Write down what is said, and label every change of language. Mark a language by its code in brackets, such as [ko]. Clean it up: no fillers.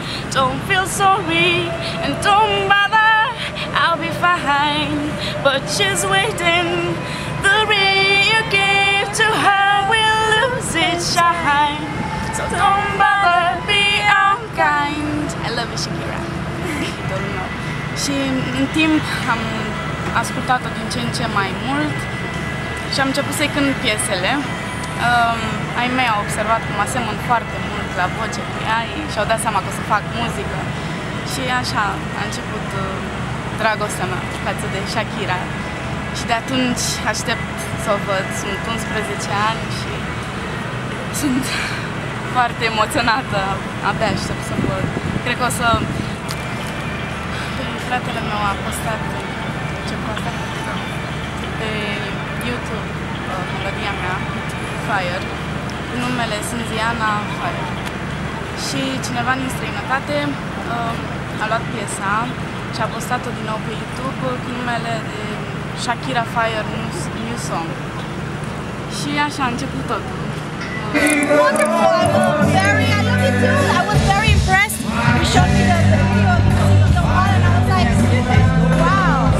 [en] Don't feel sorry and don't bother, I'll be fine. But she's waiting, the ring you gave to her will lose its shine. So don't bother, be unkind. I love you, Shakira. Don't know. [ro] She in team am ascultat-o din ce în ce mai mult. Și am început să-i cânt piesele. Ai mei au observat cum asemăn foarte mult la voce cu ea și au dat seama că o să fac muzică. Și așa a început dragostea mea față de Shakira. Și de atunci aștept să o văd. Sunt 11 ani și sunt foarte emoționată. Abia aștept să o văd. Cred că o să... Fratele meu a postat ce poate pe YouTube. Melodia mea, Fire, cu numele Sanzania Fire. Și cineva din străinătate a luat piesa și a postat-o din nou pe YouTube cu numele de Shakira Fire New Song. Și așa a început tot. [en] Wonderful! Very, I love you too! I was very impressed! You showed me the video of the hall and I was like, wow!